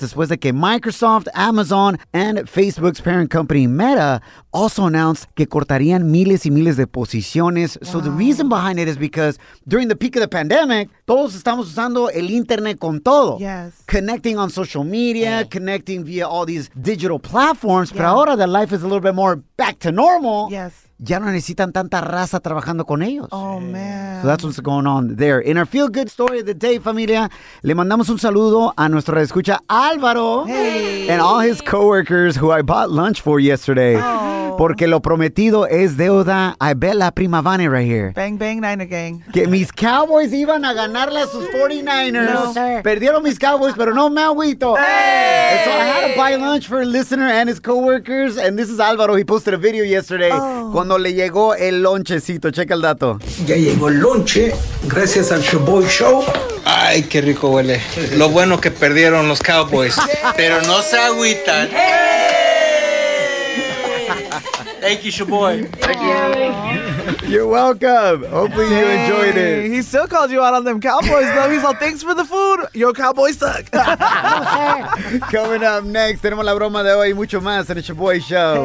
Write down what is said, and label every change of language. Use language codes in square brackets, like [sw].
[es] Después de que Microsoft, Amazon, [en] and Facebook's parent company, Meta, also announced [es] que cortarían miles y miles de posiciones. Wow. [en] So the reason behind it is because during the peak of the pandemic, [es] todos estamos usando el internet con todo. [en] Yes. Connecting on social media, connecting via all these digital platforms. Yeah. [es] Pero ahora [en] that life is a little bit more back to normal. Yes. [es] Ya no necesitan tanta raza trabajando con ellos. [en] Oh, man. So that's what's going on there. In our feel good story of the day, familia, [es] le mandamos un saludo a nuestro escucha [en] Álvaro. Hey. And all his coworkers who I bought lunch for yesterday. Oh. [es] Porque lo prometido es deuda. [en] I bet [es] la prima Vane [en] right here. Bang, bang, Niner gang. [es] Que mis Cowboys iban a ganarle a sus 49ers. [en] No, sir. [es] Perdieron mis Cowboys, pero no me agüito. [en] Hey! So I had to buy lunch for a listener and his coworkers. And this is Álvaro. He posted a video yesterday. Oh. [es] Cuando le llegó el lonchecito. Checa el dato. Ya llegó el lonche. Gracias al Showboy Show. Ay, qué rico huele. Lo bueno que perdieron los Cowboys. Pero no se agüitan. [en] Thank you, Shaboy. Thank you. You're welcome. Hopefully you enjoyed it. He still called you out on them Cowboys, though. He's all, thanks for the food. Yo, Cowboys suck. Coming up next, [es] tenemos la broma de hoy mucho más en el Shaboy Show.